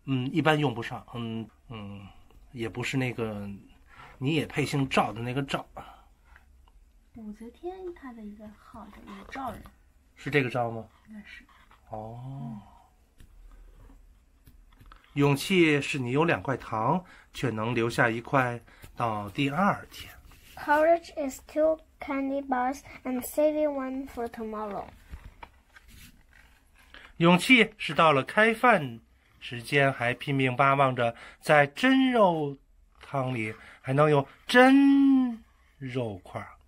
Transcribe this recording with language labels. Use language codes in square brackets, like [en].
[zh] 一般用不上，也不是那个，你也配姓赵的那个赵。武则天他的一个号叫赵人，是这个赵吗？应该是。勇气是你有两块糖，却能留下一块到第二天。 [en] Courage is two candy bars and saving one for tomorrow. [zh] 勇气是到了开饭时间还拼命巴望着在真肉汤里还能有真肉块。